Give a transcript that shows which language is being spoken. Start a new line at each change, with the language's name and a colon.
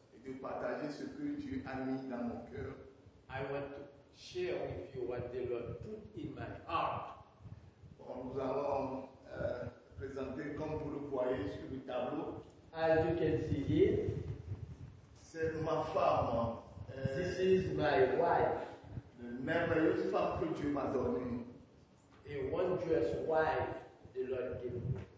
French: Et de partager ce que Dieu a mis dans mon cœur.
English: I want to share with you what the Lord put in my heart.
French: Bon, nous allons présenter, comme vous le voyez sur le tableau.
English: As you can see here,
French: c'est ma femme.
English: This is my wife.
French: Une merveilleuse femme que Dieu m'a donnée.
English: A wondrous wife, the Lord gave me.